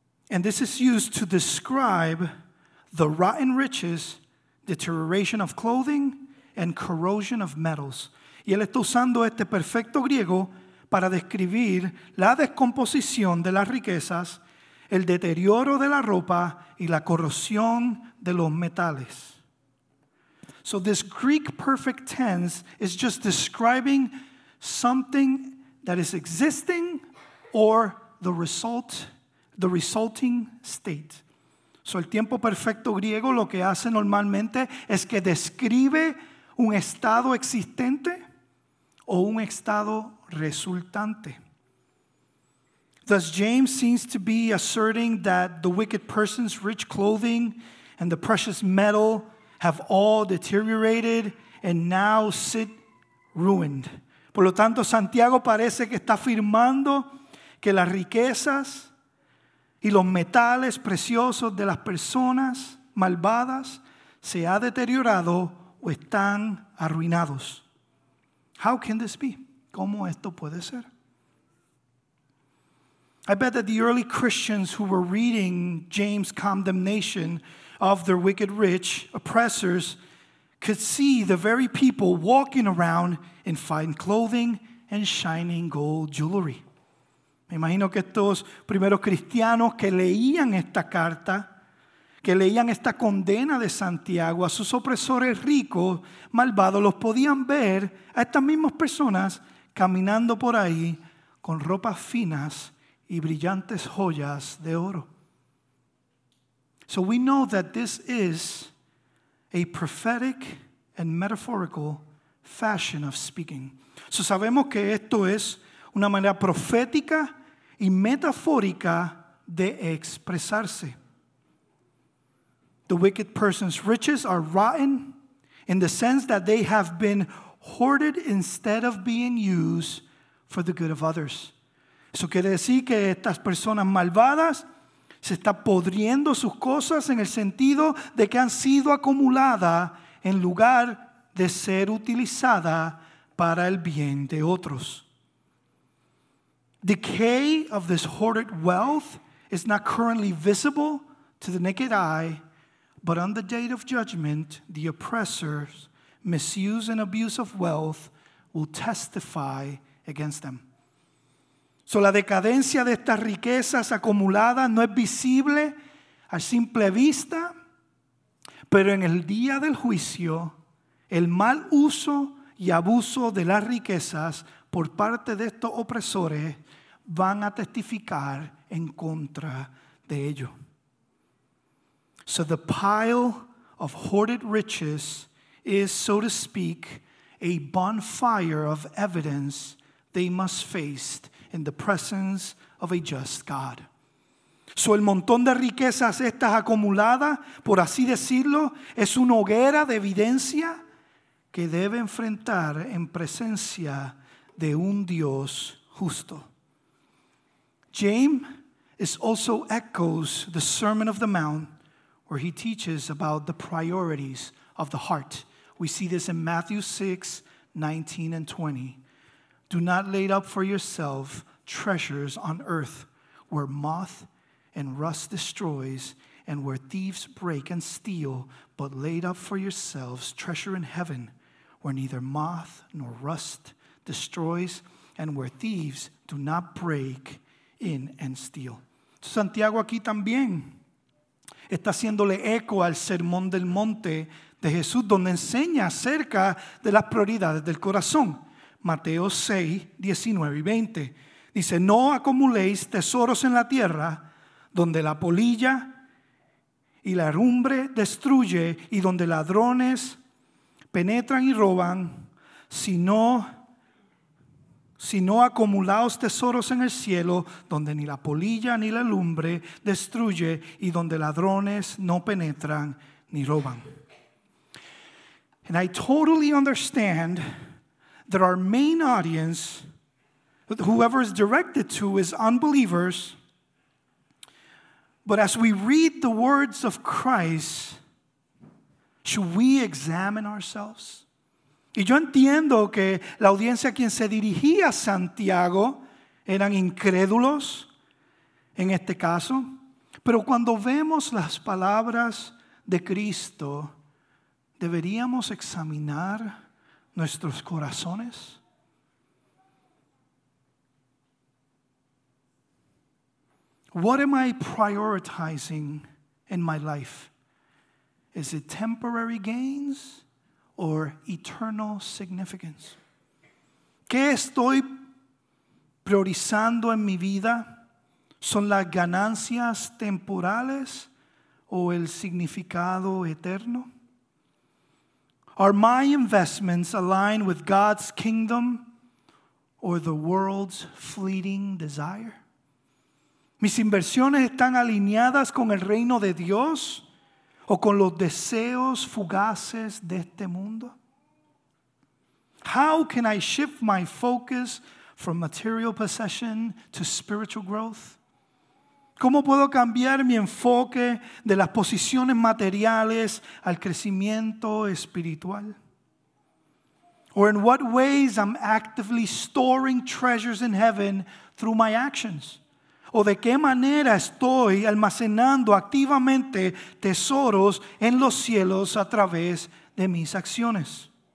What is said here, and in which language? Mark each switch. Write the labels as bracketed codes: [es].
[en] And this is used to describe the rotten riches, deterioration of clothing, and corrosion of metals. [es] Y él está usando este perfecto griego para describir la descomposición de las riquezas, el deterioro de la ropa y la corrosión de los metales. [en] So this Greek perfect tense is just describing something that is existing or the resulting state. [es] So el tiempo perfecto griego lo que hace normalmente es que describe un estado existente o un estado resultante. [en] Thus James seems to be asserting that the wicked person's rich clothing and the precious metal have all deteriorated and now sit ruined. [es] Por lo tanto, Santiago parece que está afirmando que las riquezas y los metales preciosos de las personas malvadas se ha deteriorado o están arruinados. [en] How can this be? [es] ¿Cómo esto puede ser? [en] I bet that the early Christians who were reading James' condemnation of their wicked rich oppressors could see the very people walking around in fine clothing and shining gold jewelry. [es] Me imagino que estos primeros cristianos que leían esta carta, que leían esta condena de Santiago a sus opresores ricos, malvados, los podían ver a estas mismas personas caminando por ahí con ropas finas y brillantes joyas de oro. [en] So we know that this is a prophetic and metaphorical fashion of speaking. [es] So sabemos que esto es una manera profética y metafórica de expresarse. [en] The wicked person's riches are rotten in the sense that they have been hoarded instead of being used for the good of others. [es] Eso quiere decir que estas personas malvadas se están podriendo sus cosas en el sentido de que han sido acumuladas en lugar de ser utilizada para el bien de otros. [en] Decay of this hoarded wealth is not currently visible to the naked eye, but on the day of judgment, the oppressors' misuse and abuse of wealth will testify against them. [es] So la decadencia de estas riquezas acumuladas no es visible a simple vista, pero en el día del juicio, el mal uso y abuso de las riquezas por parte de estos opresores van a testificar en contra de ello. [en] So the pile of hoarded riches is, so to speak, a bonfire of evidence they must face in the presence of a just God. [es] So el montón de riquezas estas acumuladas, por así decirlo, es una hoguera de evidencia que debe enfrentar en presencia de un Dios justo. [en] James also echoes the Sermon of the Mount, where he teaches about the priorities of the heart. We see this in Matthew 6, 19 and 20. Do not lay up for yourself treasures on earth, where moth and rust destroys, and where thieves break and steal, but lay up for yourselves treasure in heaven, where neither moth nor rust destroys, and where thieves do not break in and steal. [es] Santiago aquí también está haciéndole eco al Sermón del Monte de Jesús, donde enseña acerca de las prioridades del corazón. Mateo 6, 19 y 20. Dice, no acumuléis tesoros en la tierra, donde la polilla y la herrumbre destruye, y donde ladrones penetran y roban, sino acumulaos tesoros en el cielo, donde ni la polilla ni la herrumbre destruye, y donde ladrones no penetran ni roban. [en] And I totally understand that our main audience, whoever is directed to, is unbelievers. But as we read the words of Christ, should we examine ourselves? [es] Y yo entiendo que la audiencia a quien se dirigía Santiago eran incrédulos en este caso. Pero cuando vemos las palabras de Cristo, deberíamos examinar nuestros corazones. [en] What am I prioritizing in my life? Is it temporary gains or eternal significance? [es] ¿Qué estoy priorizando en mi vida? ¿Son las ganancias temporales o el significado eterno? [en] Are my investments aligned with God's kingdom or the world's fleeting desire? [es] ¿Mis inversiones están alineadas con el reino de Dios o con los deseos fugaces de este mundo? [en] How can I shift my focus from material possession to spiritual growth? [es] ¿Cómo puedo cambiar mi enfoque de las posiciones materiales al crecimiento espiritual? [en] Or in what ways am I actively storing treasures in heaven through my actions? [es] ¿O de qué manera estoy almacenando activamente tesoros en los cielos a través de mis acciones?